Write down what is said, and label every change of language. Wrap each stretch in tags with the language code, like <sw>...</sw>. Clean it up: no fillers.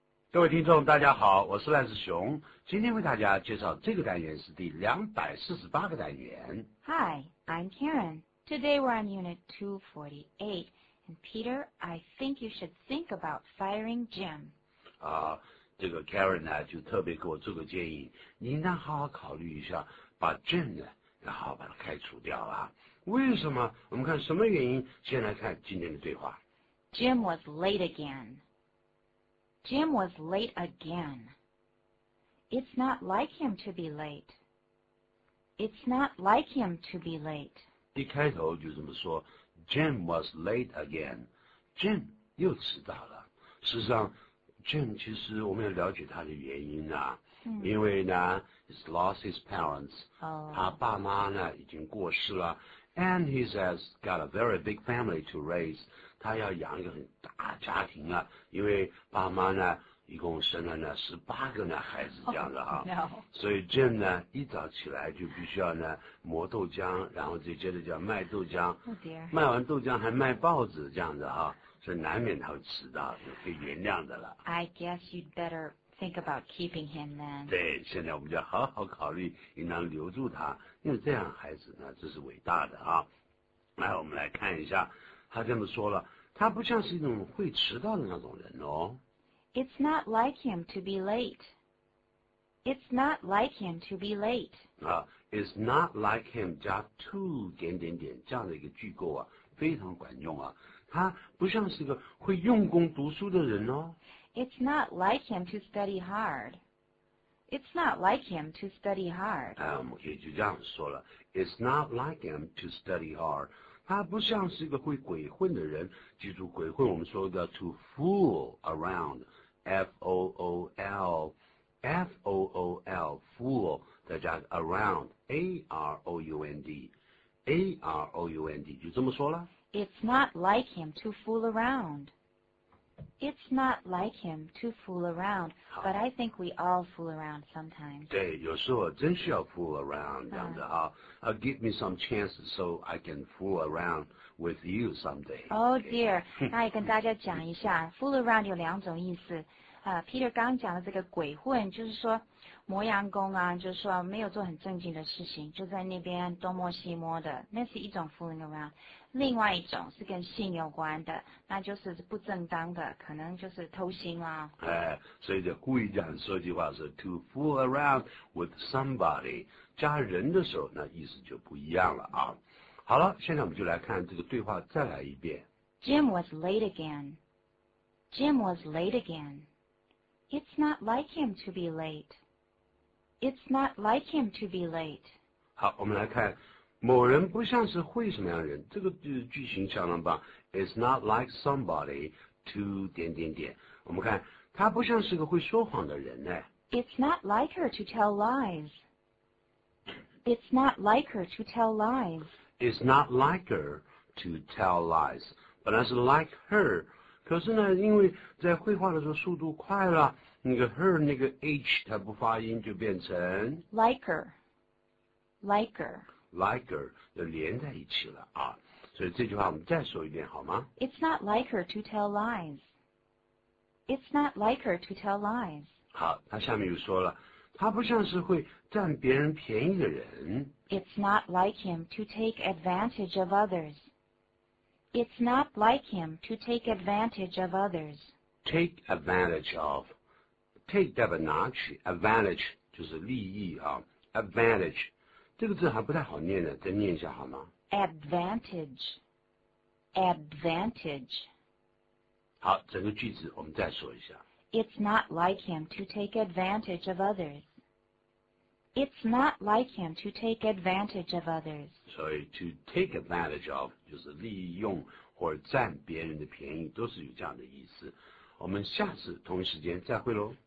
<zh>各位听众，大家好，我是赖世雄。今天为大家介绍这个单元是第248个单元。</zh> <en>Hi, I'm Karen. Today we're on Unit 248. And Peter, I think you should think about firing Jim.</en> <zh>这个 Karen 呢，就特别给我做个建议，你应当好好考虑一下，把 Jim 呢，然后把它开除掉啊。为什么？我们看什么原因？先来看今天的对话。</zh> <en>Jim was late again. Jim was late again. It's not like him to be late. It's not like him to be late.</en> <zh>一开头就这么说 ,</zh> <en>Jim was late again.</en> <zh>Jim 又迟到了。事实上 ,Jim 其实我们要了解他的原因啊。因为呢</zh> <en>,he's lost his parents.、 Oh.</en> <zh>他爸妈呢已经过世了。</zh> <en>And he has got a very big family to raise.</en> <zh>他要养一个很大家庭啊，因为爸妈呢一共生了呢18个呢孩子这样的啊。</zh> <en>Oh, no.</en> <zh>所以 Jim 呢一早起来就必须要呢磨豆浆，然后再接着叫卖豆浆。</zh> <en>Oh, dear.</en> <zh>卖完豆浆还卖报纸这样的啊，所以难免他会迟到，就可以原谅的了。</zh> <en>I guess you'd better think about keeping him then.</en> <zh>对，现在我们就要好好考虑应当留住他。因为这样孩子呢这是伟大的啊。来，我们来看一下他这么说了，他不像是一种会迟到的那种人哦。</zh> <en>It's not like him to be late. It's not like him to be late.</en> <zh>啊 ,</zh> <en>it's not like him</en> <zh>加 to 点点点这样的一个句构啊，非常管用啊。他不像是一个会用功读书的人哦。</zh> <en>It's not like him to study hard. It's not like him to study hard.</en> <zh>哎，我们可以就这样说了。</zh> <en>It's not like him to study hard.</en> <zh>他不像是一个会鬼混的人。记住，鬼混我们说的</zh> <en>to fool around,</en> <zh>F-O-O-L, F-O-O-L, fool, 再加 around, A-R-O-U-N-D, A-R-O-U-N-D, 就这么说了。</zh> <en>It's not like him to fool around. It's not like him to fool around, but I think we all fool around sometimes.</en> <zh>对，有时候真需要</zh> <en>fool around</en> <zh>这样的啊。</zh> <en>Give me some chance so I can fool around with you someday. Oh dear,</en> <zh>那也跟大家讲一下</zh> <en>fool around</en> <zh>有两种意思。 Peter 刚讲的这个鬼混，就是说磨洋工啊，就是说没有做很正经的事情，就在那边东摸西摸的，那是一种 fooling around。另外一种是跟性有关的，那就是不正当的，可能就是偷腥啦。哎，所以就故意讲说句话是</zh> <en>to fool around with somebody，</en> <zh>加人的时候，那意思就不一样了啊。好了，现在我们就来看这个对话再来一遍。</zh> <en>Jim was late again. Jim was late again. It's not like him to be late. It's not like him to be late.</en> <zh>好，我们来看某人不像是会什么样的人，这个句型相当棒。</zh> <en>It's not like somebody to</en> <zh>点点点。我们看他不像是个会说谎的人呢。</zh> <en>It's not like her to tell lies. It's not like her to tell lies. It's not like her to tell lies.</en> <zh>本来是</zh> <en>like her。</en> <zh>可是呢，因为在绘画的时候速度快了，那个 her 那个 h 它不发音，就变成</zh> <en>like her</en> <zh>就连在一起了啊。所以这句话我们再说一遍好吗？</zh> <en>It's not like her to tell lies. It's not like her to tell lies.</en> <zh>好，他下面又说了，他不像是会占别人便宜的人。</zh> <en>It's not like him to take advantage of others. It's not like him to take advantage of others. Take advantage of.</en> <zh>Take 代表拿取 ,advantage 就是利益啊。 Advantage, 这个字还不太好念的，再念一下好吗？</zh> <en>Advantage. Advantage.</en> <zh>好，整个句子我们再说一下。</zh> <en>It's not like him to take advantage of others. It's not like him to take advantage of others.</en> <zh>所以</zh> <en>to take advantage of</en> <zh>就是利用或者占别人的便宜，都是有这样的意思。我们下次同一时间再会咯。</zh>